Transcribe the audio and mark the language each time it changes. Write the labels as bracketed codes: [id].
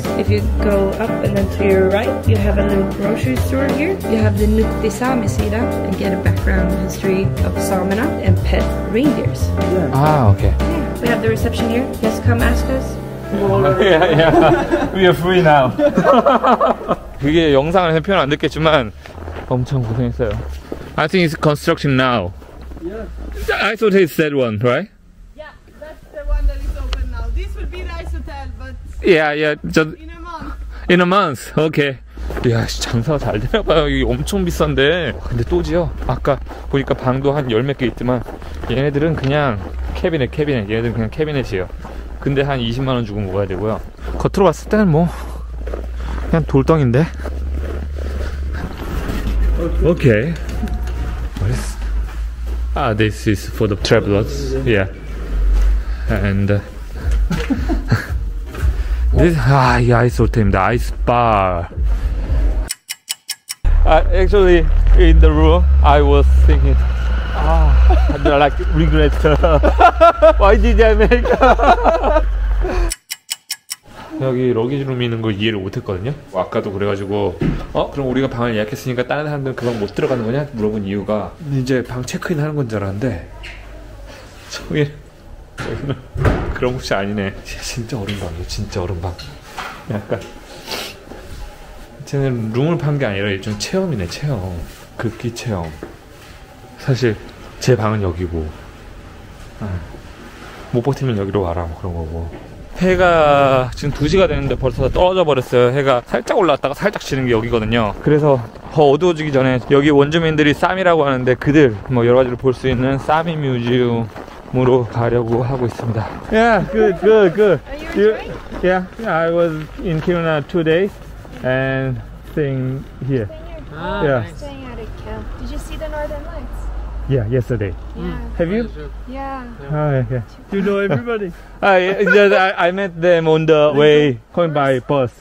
[en] Okay. If you go up and then to your right, you have a little grocery store here. You have the Nukti Sami Sida, and get a background history of Samina and pet reindeers. Ah, okay. Yeah. We have the reception here, just come ask us. Yeah. We are free now. [ko] 그게 영상을 해서 표현 안 됐겠지만 엄청 고생했어요. [en] I think it's construction now. Yeah. I thought it's that one, right? Yeah, that's the one that is open now. This will be the ice hotel, but just in a month. In a month, okay. [ko] 야, 장사가 잘 되나봐요. 이게 엄청 비싼데. 근데 또 지어. 아까 보니까 방도 한 열 몇 개 있지만 얘네들은 그냥 캐비넷. 얘네들은 그냥 캐비넷이에요. 근데 한 20만원 주고 먹어야 되고요. 겉으로 봤을 때는 뭐 그냥 돌덩인데. [en] 오케이. What is? Ah, this is for the travelers. Yeah. And this [ko] 이 아이스 호텔입니다. 아이스 바. [en] Actually, in the room, I was thinking, I like regret. Why did I make? [ko] 여기 러기지 룸이 있는 걸 이해를 못했거든요. 아까도 그래가지고 그럼 우리가 방을 예약했으니까 다른 사람들은 그 방 못 들어가는 거냐? 물어본 이유가 이제 방 체크인 하는 건 줄 알았는데 저기 그런 곳이 아니네. 진짜 얼음방이야. 진짜 얼음방. 약간 쟤는 룸을 판 게 아니라 일종의 체험이네. 체험. 극기 체험. 사실 제 방은 여기고 못 버티면 여기로 와라 뭐 그런 거고. 해가 지금 2시가 됐는데 벌써 다 떨어져 버렸어요. 해가 살짝 올라왔다가 살짝 지는 게 여기거든요. 그래서 더 어두워지기 전에 여기 원주민들이 쌈이라고 하는데 그들 뭐 여러 가지를 볼 수 있는 쌈이 뮤지엄으로 가려고 하고 있습니다. [en] Yeah, good, good, good. Are you enjoying? Yeah, I was in Kiruna 2 days and staying here. Staying here? Yeah. Staying at a camp. Did you see the northern lights? Yeah, yesterday. Yeah. Have you? Yeah. Oh, yeah, yeah. You know everybody? I met them on the way, going by bus.